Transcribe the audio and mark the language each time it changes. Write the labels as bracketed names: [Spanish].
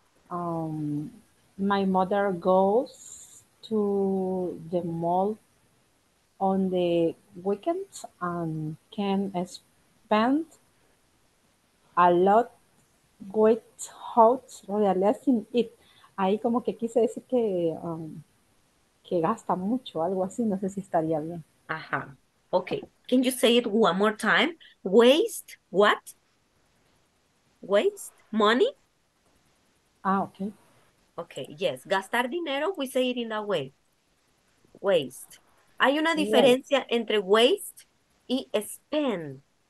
[English] My mother goes to the mall on the weekends and can spend a lot without realizing it. [Spanish] Ahí como que quise decir que gasta mucho, algo así. No sé si estaría bien. Ajá. [English] Okay, can you say it one more time? Waste what? Waste money? Ah, okay. Okay, yes. [Spanish] Gastar dinero, [English] we say it in that way. [Spanish] Waste. Hay una diferencia entre waste y spend.